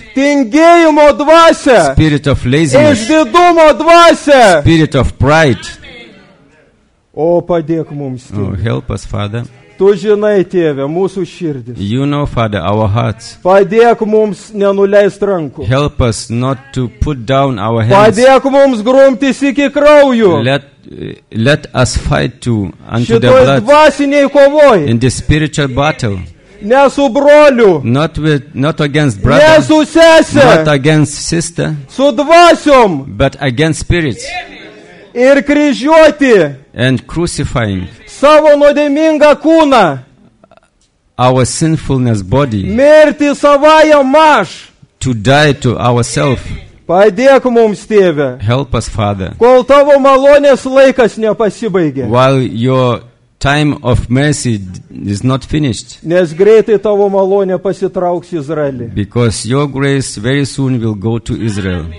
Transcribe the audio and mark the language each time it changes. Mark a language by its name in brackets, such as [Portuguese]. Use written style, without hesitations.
[Lithuanian] Tingėjimo dvasia. [English] Spirit of laziness. [Lithuanian] Išdidumo dvasia. [English] Spirit of pride. [Lithuanian] O padėk mums, Tėve. [English] Oh, help us, Father. [Lithuanian] Tu žinai, Tėve, mūsų širdis. [English] You know, Father, our hearts. [Lithuanian] Padėk mums nenuleist rankų. [English] Help us not to put down our hands. [Lithuanian] Padėk mums grumtis iki kraujų. [English] Let us fight to unto the blood in the spiritual battle. [Lithuanian] Ne su broliu. [English] Not against brother. [Lithuanian] Ne su sese. [English] Not against sister. [Lithuanian] Su dvasiom. [English] But against spirits. [Lithuanian] Ir kryžiuoti. [English] And crucifying. [Lithuanian] Savo nuodėmingą kūną. [English] Our sinfulness body. [Lithuanian] Mirti savajam aš. [English] To die to ourselves. [Lithuanian] Padėk mums, Tėve. [English] Help us, Father. [Lithuanian] Kol tavo malonės laikas nepasibaigė. [English] While your time of mercy is not finished. [Lithuanian] Nes greitai tavo malonė pasitrauks Izraelį. [English] Because your grace very soon will go to Israel.